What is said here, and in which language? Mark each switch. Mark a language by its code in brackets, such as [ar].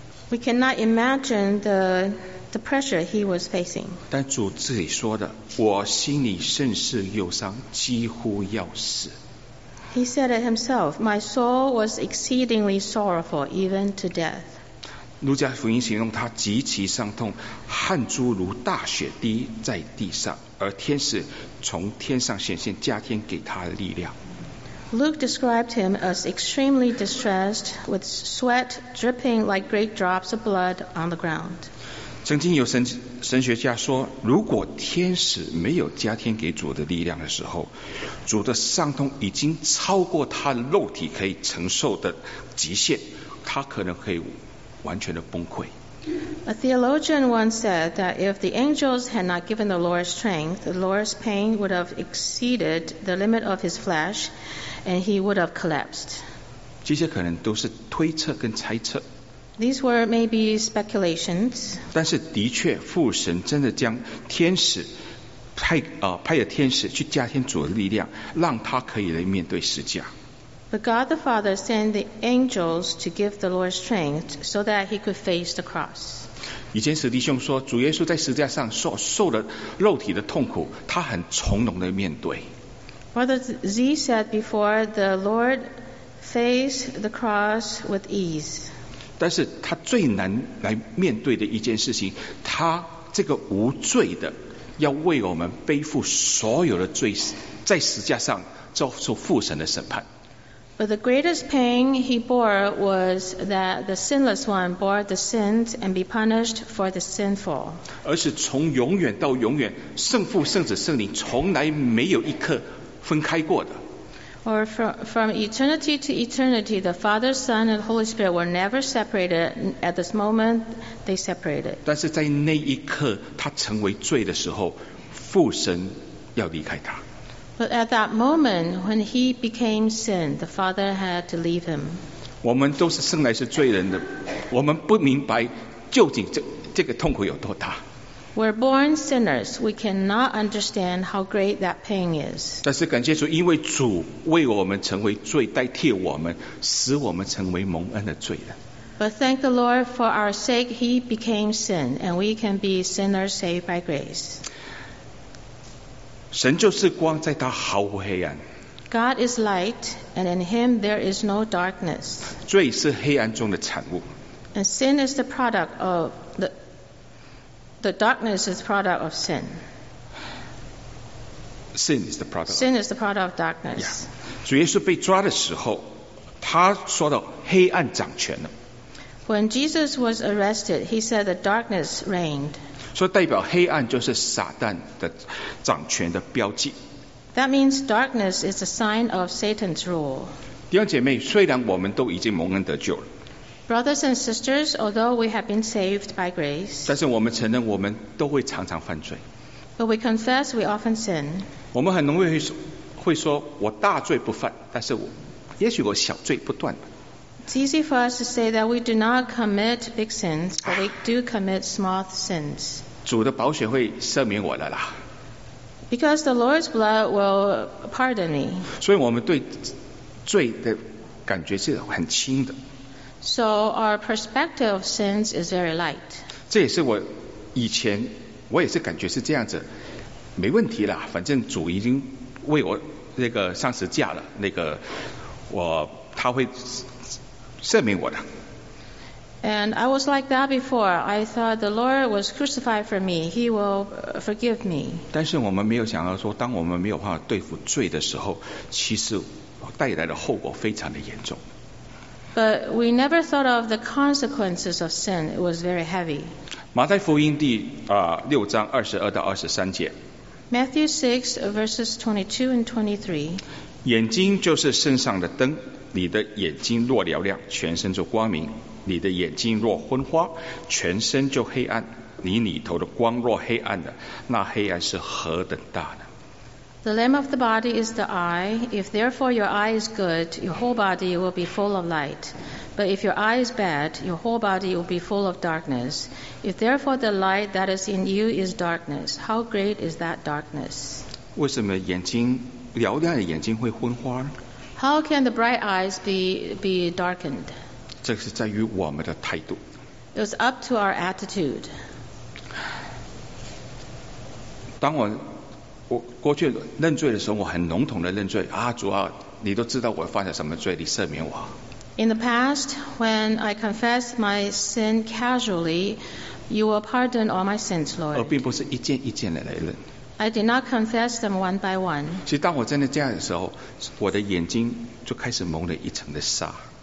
[en] We cannot imagine the pressure he was facing. [zh] 但主自己说的，我心里甚是忧伤，几乎要死。 [en] He said it himself, "My soul was exceedingly sorrowful, even to death." [zh] 路加福音形容他极其伤痛，汗珠如大雪滴在地上，而天使从天上显现，加添给他的力量。 [en] Luke described him as extremely distressed, with sweat dripping like great drops of blood on the ground. [zh] 曾经有神学家说，如果天使没有加添给主的力量的时候，主的伤痛已经超过他肉体可以承受的极限，他可能可以完全的崩溃。 [en] A theologian once said that if the angels had not given the Lord strength, the Lord's pain would have exceeded the limit of his flesh, and he would have collapsed. [zh] 这些可能都是推测跟猜测。 [en] These were maybe speculations. [zh] 但是的确，父神真的将天使派了天使去加添主的力量，让他可以来面对十字架。 [en] But God the Father sent the angels to give the Lord strength so that he could face the cross. [zh] 以前史弟兄说，主耶稣在十字架上所受的肉体的痛苦，他很从容的面对。 [en] Brother Z said before, the Lord faced the cross with ease. [zh] 但是他最难来面对的一件事情，他这个无罪的，要为我们背负所有的罪，在十字架上遭受父神的审判。 [en] But the greatest pain he bore was that the sinless one bore the sins and be punished for the sinful. [zh] 而是从永远到永远，圣父、圣子、圣灵从来没有一刻分开过的。 [en] Or from eternity to eternity, the Father, Son, and Holy Spirit were never separated. At this moment, they separated. [zh] 但是在那一刻他成为罪的时候，父神要离开他。 [en] But at that moment, when he became sin, the Father had to leave him. [zh] 我们都是生来是罪人的，我们不明白究竟这个痛苦有多大。 [en] We're born sinners. We cannot understand how great that pain is. [zh] 但是感谢主，因为主为我们成为罪，代替我们，使我们成为蒙恩的罪人。 [en] But thank the Lord, for our sake he became sin, and we can be sinners saved by grace. [zh] 神就是光，在他毫无黑暗。 [en] God is light, and in him there is no darkness. [zh] 罪是黑暗中的产物。 [en] And sin is the product of the darkness is product of sin. Sin is the product. Sin is the product of darkness. Yeah. [zh] 主耶稣被抓的时候，他说到黑暗掌权了。 [en] When Jesus was arrested, he said the darkness reigned. [zh] 所以代表黑暗就是撒旦的掌权的标记。 [en] That means darkness is a sign of Satan's rule. [zh] 弟兄姐妹，虽然我们都已经蒙恩得救了。 [en] Brothers and sisters, although we have been saved by grace, [zh] 但是我们承认我们都会常常犯罪。 [en] But we confess we often sin. [zh] 我们很容易会说我大罪不犯，但是我也许我小罪不断。 [en] It's easy for us to say that we do not commit big sins, but we do commit small sins. [zh] 主的宝血会赦免我的啦。 [en] Because the Lord's blood will pardon me. [zh] 所以我们对罪的感觉是很轻的。 [en] So our perspective of sins is very light. [zh] 这也是我以前我也是感觉是这样子，没问题啦，反正主已经为我那个上十字架了，那个我他会。赦免我的。 [en] And I was like that before. I thought the Lord was crucified for me. He will forgive me. [zh] 但是我们没有想到说，当我们没有办法对付罪的时候，其实带来的后果非常的严重。 [en] But we never thought of the consequences of sin. It was very heavy. [zh] 马太福音第六章二十二到二十三节。 [en] Matthew 6 verses 22 and 23. [zh] 眼睛就是身上的灯。你的眼睛若嘹亮，全身就光明；你的眼睛若昏花，全身就黑暗。你里头的光若黑暗的，那黑暗是何等大呢？ [en] The lamp of the body is the eye. If therefore your eye is good, your whole body will be full of light. But if your eye is bad, your whole body will be full of darkness. If therefore the light that is in you is darkness, how great is that darkness? [zh] 为什么眼睛嘹亮的眼睛会昏花呢？ [en] How can the bright eyes be darkened? [zh] 这是在于我们的态度。 [en] It's up to our attitude. [zh] 当我过去认罪的时候，我很笼统的认罪啊，主啊，你都知道我犯了什么罪，你赦免我。 [en] In the past, when I confess my sin casually, you will pardon all my sins, Lord. [zh] 而并不是一件一件的来认。 [en] I did not confess them one by one. [zh] 其实当我真的这样的时候，我的眼睛就开始蒙了一层的纱。